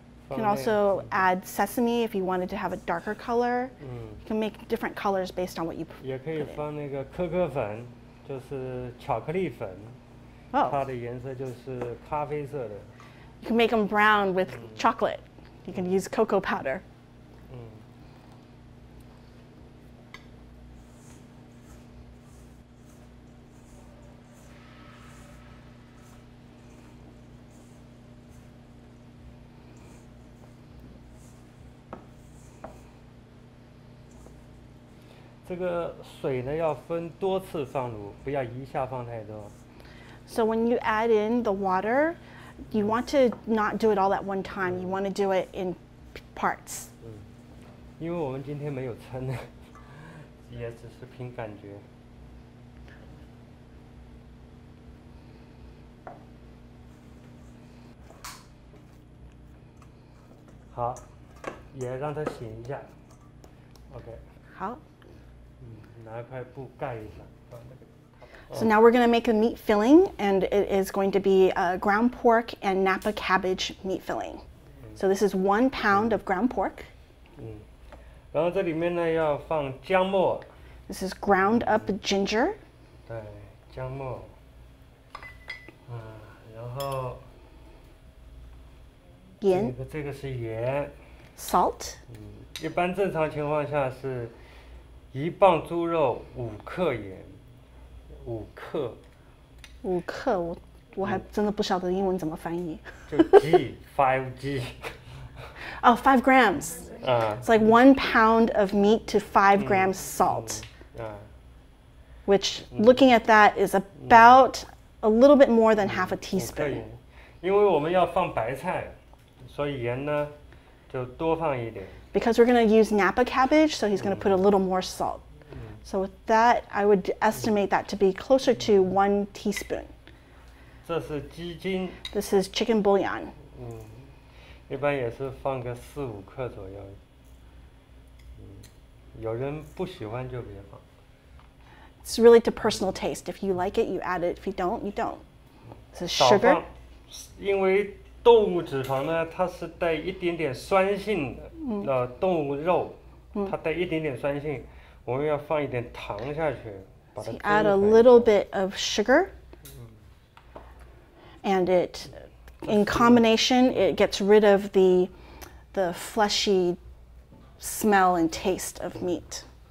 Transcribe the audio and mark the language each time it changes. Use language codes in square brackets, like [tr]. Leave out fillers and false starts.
[en] You can also add sesame if you wanted to have a darker color. You can make different colors based on what you put in. You can also put cocoa powder, which is chocolate powder. Oh. [zh] 它的颜色就是咖啡色的。 [en] You can make them brown with chocolate. You can use cocoa powder. [zh] 这个水呢要分多次放入，不要一下放太多。 [en] So when you add in the water, you want to not do it all at one time. You want to do it in parts. [zh] 嗯，因为我们今天没有称，也只是凭感觉。好，也让它醒一下。OK. 好。拿一块布盖一下。 [en] So now we're going to make a meat filling, and it is going to be a ground pork and Napa cabbage meat filling. So this is 1 pound of ground pork. [zh] 嗯，然后这里面呢要放姜末。 [en] This is ground up ginger. [zh] 对，姜末。然后盐。这个是盐。 [en] Salt. [zh] 一般正常情况下是1磅猪肉5克盐。五克，我还真的不晓得英文怎么翻译。 [en] 5g. Oh, 5 grams. It's like 1 pound of meat to 5 grams salt. Which, looking at that, is about a little bit more than half a teaspoon. [zh] 因为我们要放白菜，所以盐呢就多放一点。 [en] Because we're going to use Napa cabbage, so he's going to put a little more salt. So with that, I would estimate that to be closer to 1 teaspoon. [zh] 这是鸡精。 [en] This is chicken bouillon. 嗯， [zh] 一般也是放个4-5克左右。有人不喜欢就别放。 [en] It's really to personal taste. If you like it, you add it. If you don't, you don't. This is sugar. [zh] 因为动物脂肪呢，它是带一点点酸性的。动物肉，它带一点点酸性。我们要放一点糖下去，把它。 [en] So you add a little bit of sugar, and it, in combination, it gets rid of the fleshy smell and taste of meat.